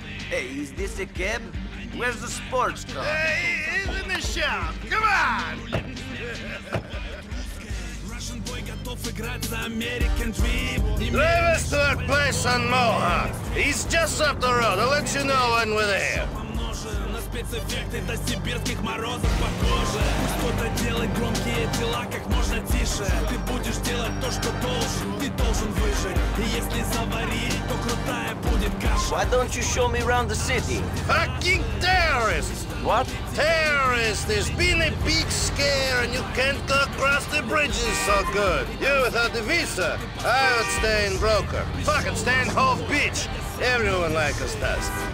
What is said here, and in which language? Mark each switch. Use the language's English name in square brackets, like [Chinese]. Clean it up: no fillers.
[English] Hey, is this a cab? Where's the sports car? He's in the shop. Come on! Drive us to our place on Mohawk. He's just up the road. I'll let you know when we're there. [Russian] Спецэффекты до сибирских морозов похожи. Пусть кто-то делает громкие дела как можно тише. Ты будешь делать то, что должен, ты должен выжить. И если заварить, то крутая будет каша. [English] Why don't you show me around the city? Fucking terrorists! What? Terrorists! There's been a big scare and you can't go across the bridges so good. You without the visa, I would stay in Broker. Fucking stay in Hove Beach. Everyone like us does.